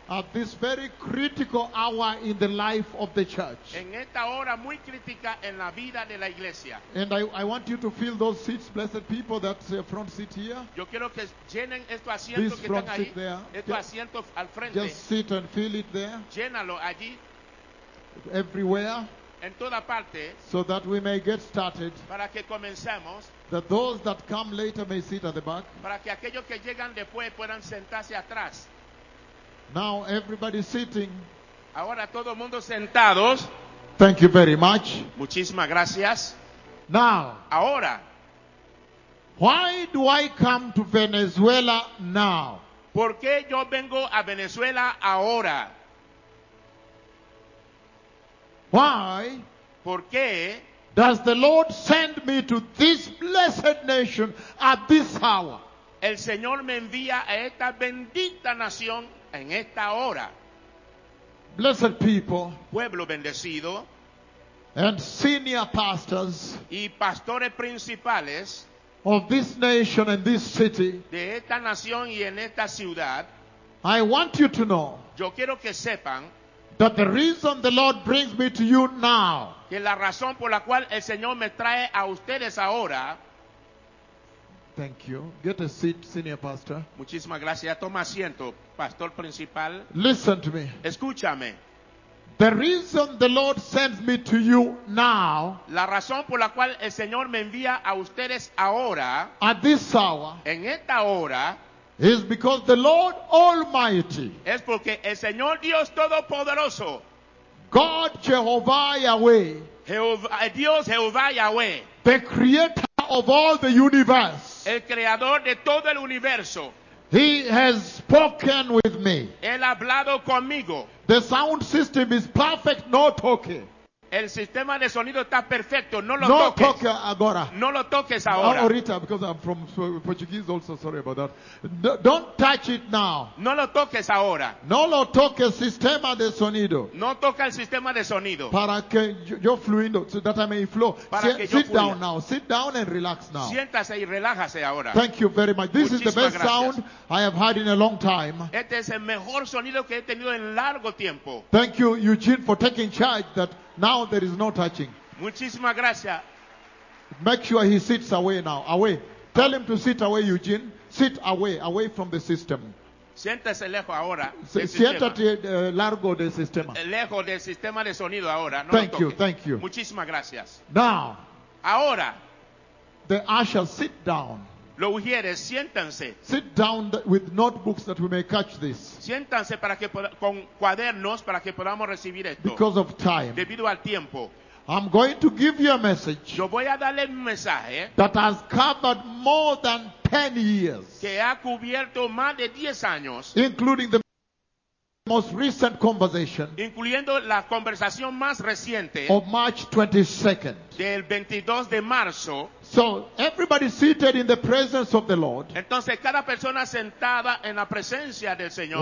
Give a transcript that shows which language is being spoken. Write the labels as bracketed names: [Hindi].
[English] At this very critical hour in the life of the church. [Spanish] En esta hora muy crítica en la vida de la iglesia. [English] And I want you to fill those seats, blessed people, that front seat here. [Spanish] Yo quiero que llenen estos asientos que están ahí. [English] There. [Spanish] Estos asientos al frente. [English] Just sit and fill it there. [Spanish] Llénalo allí. [English] Everywhere. [Spanish] En toda parte, [English] so that we may get started. [Spanish] Para que comencemos. [English] That those that come later may sit at the back. [Spanish] Para que aquellos que llegan después puedan sentarse atrás. [English] Now everybody sitting. [Spanish] Ahora todo mundo sentados. [English] Thank you very much. [Spanish] Muchísimas gracias. [English] Now. [Spanish] Ahora. [English] Why do I come to Venezuela now? [Spanish] ¿Por qué yo vengo a Venezuela ahora? [English] Why? [Spanish] ¿Por qué? [English] Does the Lord send me to this blessed nation at this hour? [Spanish] El Señor me envía a esta bendita nación en esta hora. [English] Blessed people. [Spanish] Pueblo bendecido. [English] And senior pastors. [Spanish] Y pastores principales. [English] Of this nation and this city. [Spanish] De esta nación y en esta ciudad. [English] I want you to know. [Spanish] Yo quiero que sepan. [English] That the reason the Lord brings me to you now. [Spanish] Que la razón por la cual el Señor me trae a ustedes ahora. [English] Thank you. Get a seat, senior pastor. [Spanish] Muchísimas gracias. Toma asiento, pastor principal. [English] Listen to me. [Spanish] Escúchame. [English] The reason the Lord sends me to you now, [Spanish] la razón por la cual el Señor me envía a ustedes ahora, [English] at this hour, [Spanish] en esta hora, [English] is because the Lord Almighty, [Spanish] es porque el Señor Dios Todopoderoso, [English] God Jehovah Yahweh, [Spanish] Dios Jehovah Yahweh, [English] the creator of all the universe, [Spanish] el creador de todo el universo, [English] he has spoken with me. [Spanish] Él ha hablado conmigo. [English] The sound system is perfect, [Spanish] no toque. El sistema de sonido está perfecto, no lo no toques. [Portuguese] Toque agora. [Spanish] No lo toques ahora. Ahorita, [English] because I'm from Portuguese also, sorry about that. Don't touch it now. [Spanish] No lo toques ahora. No lo toque el sistema de sonido. No toca el sistema de sonido. Para que yo fluindo, [English] so that I may flow. Sit down now. Sit down and relax now. [Spanish] Siéntase y relájase ahora. [English] Thank you very much. This [Spanish] Muchísimas [English] is the best [Spanish] gracias. [English] Sound I have had in a long time. [Spanish] Este es el mejor sonido que he tenido en largo tiempo. [English] Thank you, Eugene, for taking charge that now there is no touching. [Spanish] Muchísimas gracias. [English] Make sure he sits away now. Away. Tell him to sit away, Eugene. Sit away, away from the system. [Spanish] Siéntese lejos ahora. Siéntate largo del sistema. Lejos del sistema de sonido ahora. No [English] thank you, thank you. [Spanish] Muchísimas gracias. [English] Now. [Spanish] Ahora. [English] The usher, sit down. [Spanish] Lo ujieres, siéntanse. [English] Sit down with notebooks that we may catch this. [Spanish] Siéntanse para que con cuadernos para que podamos recibir esto. [English] Because of time. [Spanish] Debido al tiempo. [English] I'm going to give you a message. [Spanish] Yo voy a darle un mensaje. [English] That has covered more than 10 years. [Spanish] Que ha cubierto más de 10 años. [English] Including the most recent conversation. [Spanish] Incluyendo la conversación más reciente. [English] Of March 22nd. [Spanish] Del 22 de marzo. [English] So everybody seated in the presence of the Lord. [Spanish] Entonces cada persona sentada en la presencia del Señor.